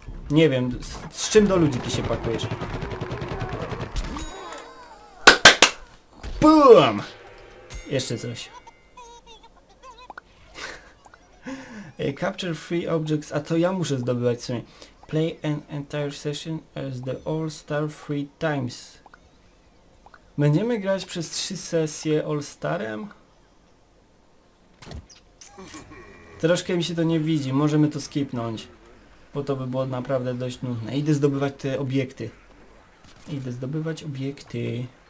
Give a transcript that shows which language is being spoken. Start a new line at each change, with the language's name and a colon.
Polish: Nie wiem, z czym do ludzi ty się pakujesz? Bum! Jeszcze coś.
English: Capture three objects,
Polish: a to ja muszę zdobywać w sumie.
English: Play an entire session as the All-Star three times.
Polish: Będziemy grać przez 3 sesje All-Starem? Troszkę mi się to nie widzi, możemy to skipnąć. Bo to by było naprawdę dość nudne. Idę zdobywać te obiekty. Idę zdobywać obiekty.